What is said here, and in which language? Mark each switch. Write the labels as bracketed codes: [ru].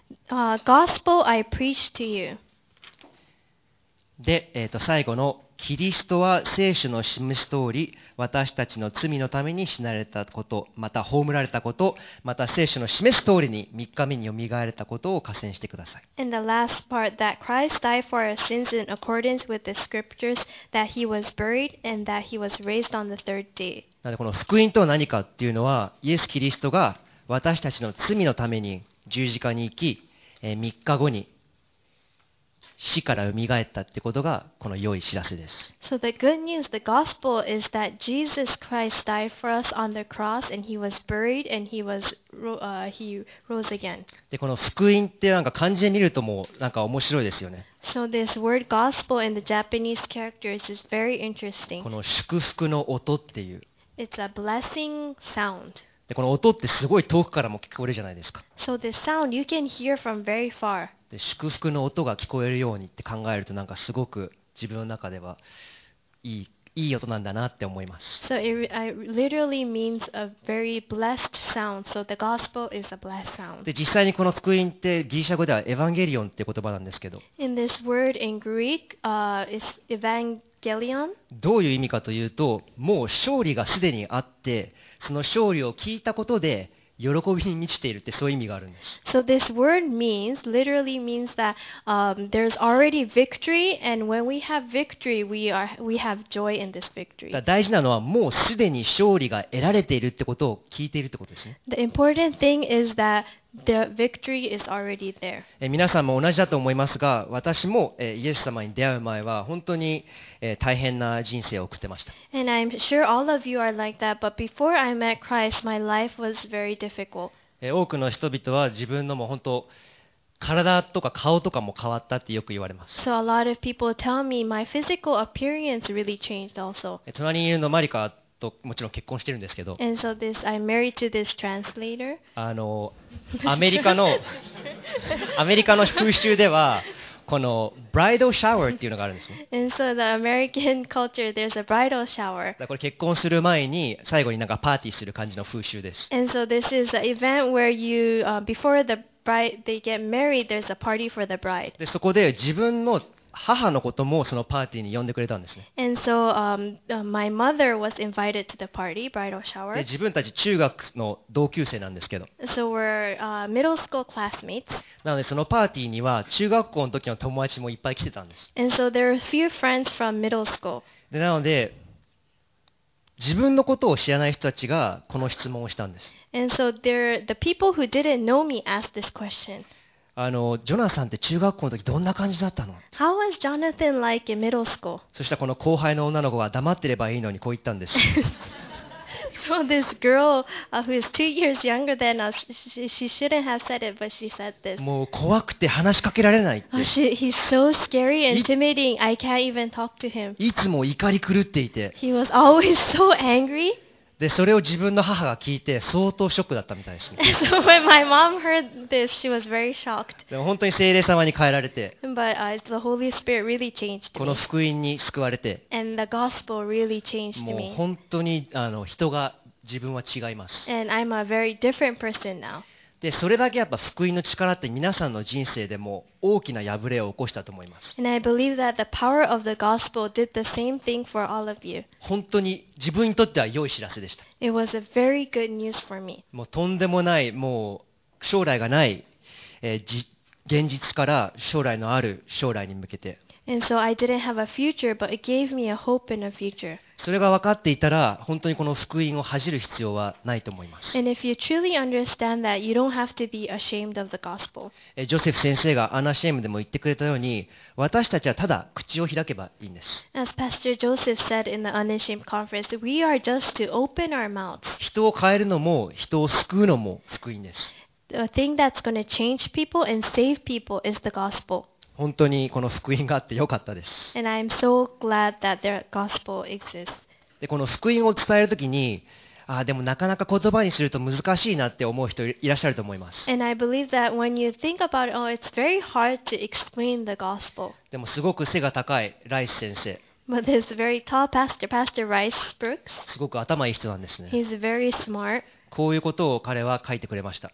[en] Gospel I preach to you. [ja] で、最後のキリストは聖書の示す通り私たちの罪のために死なれたこと、また葬られたこと、また聖書の示す通りに3日目によみがえれたことを加点してください。 [en] And the last part, that Christ died for our sins in accordance with the scriptures, that he was buried and that he was raised on the third day. [ja] なのでこの福音とは何かっていうのは、イエス・キリストが私たちの罪のために十字架に行き、3日後に死から蘇ったってことがこの良い知らせです。 [en] So the good news, the gospel is that Jesus Christ died for us on the cross and he was buried and he was he rose again. [ja] で、この福音ってなんか漢字で見るともうなんか面白いですよね。 [en] So this word gospel in the Japanese characters is very interesting. [ja] この祝福の音っていう。 [en] It's a blessing sound. [ja] で、この音ってすごい遠くからも聞こえるじゃないですか。 [en] So this sound you can hear from very far. [ja] で、祝福の音が聞こえるようにって考えると、なんかすごく自分の中ではいい音なんだなって思います。 [en] So it literally means a very blessed sound. So the gospel is a blessed sound. [ja] で、実際にこの福音ってギリシャ語ではエヴァンゲリオンって言葉なんですけど。 [en] In this word in Greek, is evangelion. [ja] どういう意味かというと、もう勝利がすでにあって、その勝利を聞いたことで、喜びに満ちているって、そういう意味があるんです。 [en] So this word means, literally means that, there's already victory, and when we have victory, we have joy in this victory. [ja] 大事なのは、もうすでに勝利が得られているってことを聞いているってことですね。 [en] The important thing is that the victory is already there. [ja] 皆さんも同じだと思いますが、私もイエス様に出会う前は本当に大変な人生を送ってました。 [en] And I'm sure all of you are like that, but before I met Christ, my life was very difficult. [ja] 多くの人々は自分のも本当体とか顔とかも変わったってよく言われます。 [en] So a lot of people tell me my physical appearance really changed also. [ja] 隣にいるのマリカともちろん結婚してるんですけど。 [en] And so this, I'm married to this translator. [ja] アメリカの風習では、このブライドシャワーっていうのがあるんですね。 [en] And so the American culture, there's a bridal shower. [ja] だからこれ結婚する前に最後になんかパーティーする感じの風習です。 [en] And so this is an event where you, before the bride, they get married, there's a party for the bride. [ja] で、そこで自分の母のこともそのパーティーに呼んでくれたんですね。 [en] And so, my mother was invited to the party, bridal shower. [ja] で、自分たち中学の同級生なんですけど。 [en] So we're, middle school classmates. [ja] なので、そのパーティーには中学校の時の友達もいっぱい来てたんです。 [en] And so there are a few friends from middle school. [ja] で、なので、自分のことを知らない人たちがこの質問をしたんです。 [en] And so there, the people who didn't know me asked this question. [ja] ジョナサンって中学校の時どんな感じだったの？ [en] How was Jonathan like in middle school? [ja] そしたらこの後輩の女の子は黙ってればいいのにこう言ったんです。 [en] So this girl, who is 2 years younger than us, she shouldn't have said it, but she said this. [ja] もう怖くて話しかけられないって。 [en] Oh, he's so scary and intimidating. I can't even talk to him. [ja] いつも怒り狂っていて。 [en] He was always so angry. [ja] で、それを自分の母が聞いて相当ショックだったみたいですね。 [en] So when my mom heard this, she was very shocked. [ja] でも本当に聖霊様に変えられて、 [en] But, the Holy Spirit really changed me. [ja] この福音に救われて、 [en] And the gospel really changed me. [ja] もう本当に人が自分は違います。 [en] And I'm a very different person now. [ja] でそれだけやっぱ福音の力って皆さんの人生でも大きな破れを起こしたと思います。 [en] And I believe that the power of the gospel did the same thing for all of you. [ja] 本当に自分にとっては良い知らせでした。 [en] It was a very good news for me. [ja] もうとんでもない、もう将来がない、現実から将来のある将来に向けて。 [en] And so I didn't have a future, but it gave me a hope and a future. [ja] それが分かっていたら、本当にこの福音を恥じる必要はないと思います。 [en] And if you truly understand that, you don't have to be ashamed of the gospel. [ja] ジョセフ先生がアナシェームでも言ってくれたように、私たちはただ口を開けばいいんです。 [en] As Pastor Joseph said in the Unashamed Conference, we are just to open our mouths. [ja] 人を変えるのも、人を救うのも福音です。 [en] The thing that's going to change people and save people is the gospel. [ja] 本当にこの福音があってよかったです。 [en] And I'm so glad that their gospel exists. [ja] で、この福音を伝えるときに、でもなかなか言葉にすると難しいなって思う人いらっしゃると思います。 [en] And I believe that when you think about it, oh, it's very hard to explain the gospel. [ja] でもすごく背が高いライス先生。 [en] But this very tall pastor, Pastor Rice Brooks. [ja] すごく頭いい人なんですね。 [en] He's very smart. [ja] こういうことを彼は書いてくれました。